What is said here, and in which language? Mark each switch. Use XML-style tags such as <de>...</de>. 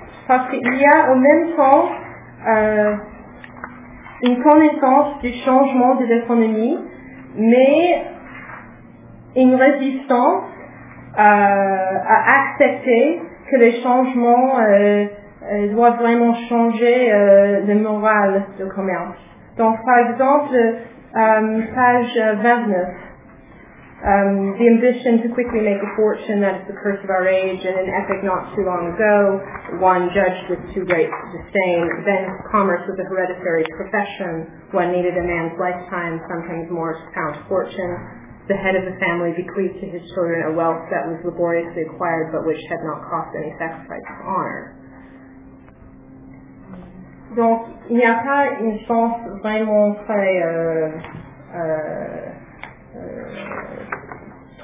<fr>Parce qu'il y a en même temps une connaissance du changement de l'économie, mais une résistance à accepter que les changements doivent vraiment changer le moral de commerce. Donc, par exemple, page 29,</fr> <en>the ambition to quickly make a fortune, that is the curse of our age, and an epic not too long ago, one judged with too great disdain, then commerce was a hereditary profession, one needed a man's lifetime, sometimes more to count fortune. The head of the family bequeathed to his children a wealth that was laboriously acquired, but which had not cost any sacrifice of honor.</en> <fr>Donc, il n'y a pas une chance vraiment très</fr>